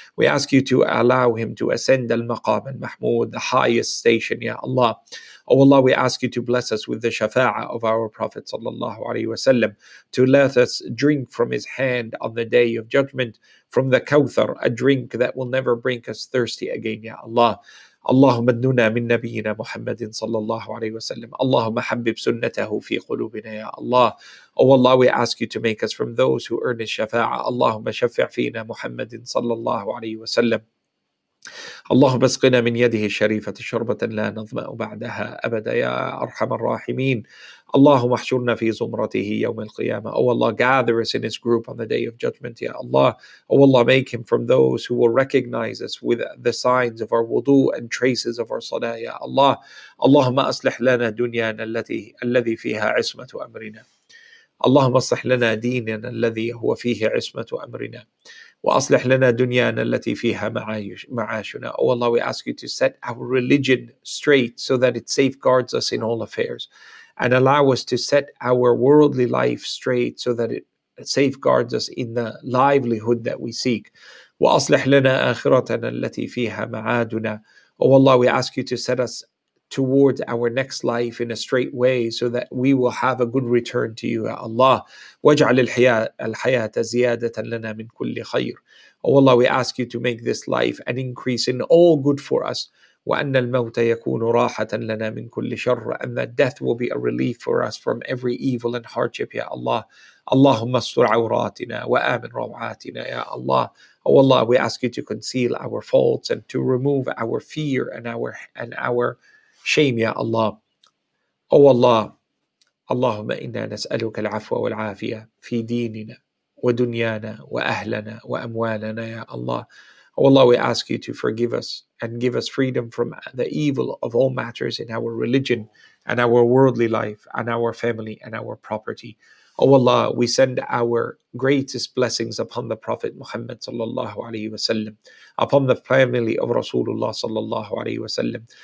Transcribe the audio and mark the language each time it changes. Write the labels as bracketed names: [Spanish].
[English] We ask you to allow him to ascend al-maqam al-mahmood, the highest station, Ya Allah. Oh Allah, we ask you to bless us with the shafa'a of our Prophet sallallahu alayhi wa sallam, to let us drink from his hand on the Day of Judgment, from the kawthar, a drink that will never bring us thirsty again, Ya Allah. [Arabic] اللهم ادنونا من نبينا محمد صلى الله عليه وسلم اللهم حبب سنته في قلوبنا يا الله. [English] Oh Allah, we ask you to make us from those who earn his shafa'a. [Arabic] اللهم شفع فينا محمد صلى الله عليه وسلم. اللهم اسقنا من يده الشريفة شربة لا نظمأ بعدها أبدا يا أرحم الراحمين. اللهم احشرنا في زمرته يوم القيامة. [English] Oh Allah, gather us in his group on the Day of Judgment, Ya Allah. Oh Allah, make him from those who will recognize us with the signs of our wudu and traces of our salah, Ya Allah. [Arabic] اللهم أصلح لنا دنيانا الذي فيها عصمة أمرنا. اللهم أصلح لنا ديننا الذي هو فيه عصمة أمرنا. وأصلح لنا دنيانا التي فيها معاشنا. [English] Oh Allah, we ask you to set our religion straight so that it safeguards us in all affairs, and allow us to set our worldly life straight so that it safeguards us in the livelihood that we seek. [Arabic] وأصلح لنا آخرتنا التي فيها معادنا. [English] Oh Allah, we ask you to set us towards our next life in a straight way so that we will have a good return to you, Ya Allah. [Arabic] وَاجْعَلِ الْحَيَاةَ زِيَادَةً لَنَا مِنْ كُلِّ خَيْرٍ. [English] Oh Allah, we ask you to make this life an increase in all good for us. [Arabic] وَأَنَّ الْمَوْتَ يَكُونُ رَاحَةً لَنَا مِنْ كُلِّ شَرٍ, [English] and that death will be a relief for us from every evil and hardship, Ya Allah. [Arabic] اللَّهُمَّ اسْتُرْ عَوْرَاتِنَا وَآمِنْ رَوْعَاتِنَا, Ya Allah. [English] Oh Allah, we ask you to conceal our faults and to remove our fear and our shame, Ya Allah. [Arabic] Oh Allah, اللهم إنا نسألك العفو والعافية في ديننا ودنيانا وأهلنا وأموالنا, Ya Allah. [English] Oh Allah, we ask you to forgive us and give us freedom from the evil of all matters in our religion and our worldly life and our family and our property. Oh Allah, we send our greatest blessings upon the Prophet Muhammad sallallahu alayhi wa sallam, upon the family of Rasulullah sallallahu alayhi wa sallam.